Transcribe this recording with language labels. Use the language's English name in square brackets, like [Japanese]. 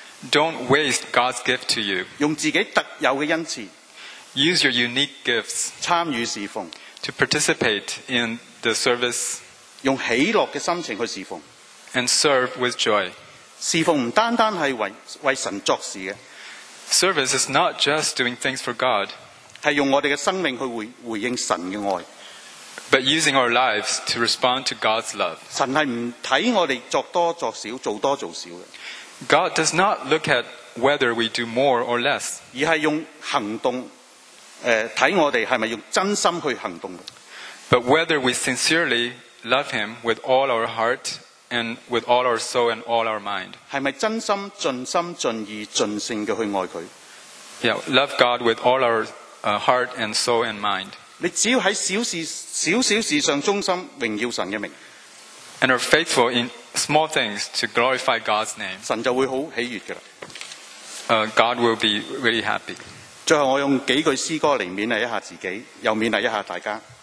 [English] Don't waste God's gift to you. [Chinese] 用自己特有的恩賜 [English] Use your unique gifts. [Chinese] 參與侍奉 [English] To participate in the service. [Chinese] 用喜樂的心情去侍奉 [English] And serve with joy. [Chinese] 侍奉不單單是 為神作事的 [English] Service is not just doing things for God. [Chinese] 是用我們的生命去 回應神的愛 [English] But using our lives to respond to God's love. [Chinese] 神是不看我們作多作少做多做少的 [English] God does not look at whether we do more or less. [Chinese] 而是用行动，看我们是不是用真心去行动。 [English] But whether we sincerely love him with all our heart and with all our soul and all our mind. [Chinese] 是不是真心尽心尽意尽性地去爱他。 [English] Yeah, love God with all our heart and soul and mind. [Chinese] 你只要在小事，小小事上忠心，荣耀神的名。 [English] And are faithful in small things to glorify God's name. [Chinese] 神就会好喜悦的了。 [English] God will be really happy. [Chinese] 最后我用几句诗歌来勉励一下自己，又勉励一下大家。